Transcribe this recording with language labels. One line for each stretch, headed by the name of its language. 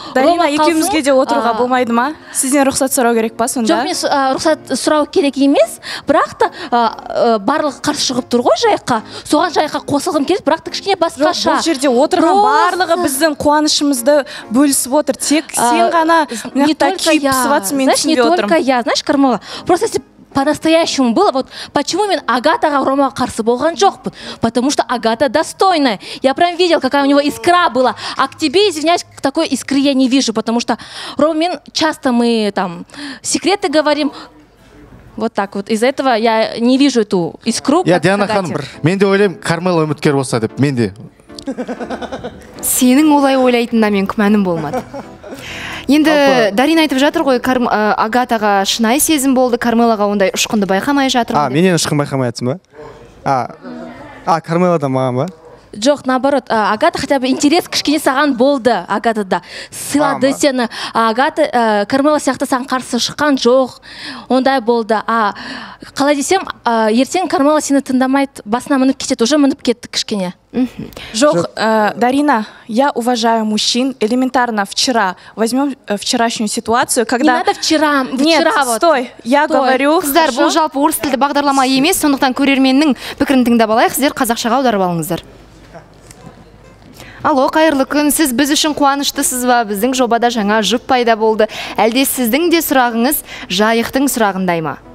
Kazakh: Дарина, екеуімізге де отыруға болмайды ма? Сізден рұқсат сұрау керек па сонда? Жоқ, мен рұқсат сұрау керек емес, бірақ та барлығы қарсы шығып тұр ғой Жайыққа. Соған Жайыққа қосылғым келеді, бірақ та кішкене басқаша. Бұл жерде отырған барлығы біздің қуанышымызды бөлісіп отыр. Тек сен ғана
Russian: не только я, знаешь, не только я, знаешь, Кармела. Просто если по-настоящему было, вот почему
Kazakh: мен Агатаға Ромаға қарсы болған жоқпын?
Russian: Потому что Агата достойная. Я прям видел, какая у него искра была. А к тебе, извиняюсь, такой искры я не вижу, потому что Рома, мен часто мы там секреты говорим. Вот так вот. Из-за этого я не вижу эту искру. Я
Kazakh: Диана Ханбер. Мен де ойлаймын, Кармела үміткер болса деп. Мен де. Сенің олай ойлайтында мен күмәнім болмады. Енді Дарина айтып жатыр ғой, Агатаға шынайы сезім болды, Кармелаға ондай ұшқынды байқамай жатыр. А, менен ұшқын байқамай жатсың ба? А, Кармеладан маған ба? Жоқ,
Russian: наоборот,
Kazakh: Агата
Russian: хотя бы интерес
Kazakh: кішкене саған болды, Агата да. Сыйлады сені. Агата, Кармела сияқты саған қарсы шыққан жоқ, ондай болды. А қалай десем, ертең Кармела сені тыңдамайды, басына мініп кетеді,
Russian: уже
Kazakh: мініп кетті кішкене. Жоқ, Дарина,
Russian: я уважаю мужчин, элементарно вчера, возьмем вчерашнюю ситуацию, когда... Не надо вчера, вчера вот. Нет, стой, я говорю...
Kazakh: Қыздар, бұл жалпы орыс тілді бағдарлама емес, сондықтан көрерменнің пікірін тыңдап алайық, сіздер қазақшаға аударып алыңыздар. Алло, қайырлы күн, сіз біз үшін қуаныштысыз ба? Біздің жобада жаңа жұп пайда болды. Әлде сіздің де сұрағыңыз Жайықтың сұрағындай ма?